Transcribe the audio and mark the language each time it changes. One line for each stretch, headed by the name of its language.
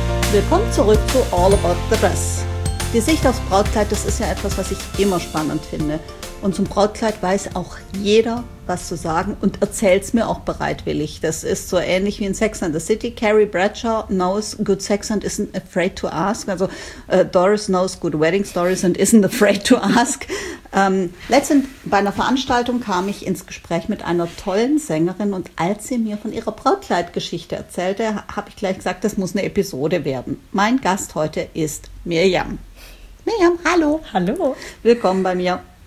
German: Willkommen zurück zu All About the Dress. Die Sicht aufs Brautkleid, das ist ja etwas, was ich immer spannend finde. Und zum Brautkleid weiß auch jeder was zu sagen und erzählt es mir auch bereitwillig. Das ist so ähnlich wie in Sex and the City.
English: Carrie Bradshaw knows good sex and isn't afraid to ask.
German: Also Doris
English: knows good wedding stories and isn't afraid to ask.
German: Letztens bei einer Veranstaltung kam ich ins Gespräch mit einer tollen Sängerin und als sie mir von ihrer Brautkleidgeschichte erzählte, habe ich gleich gesagt, das muss eine Episode werden. Mein Gast heute ist Mirjam. Mirjam, hallo. Hallo. Willkommen bei mir.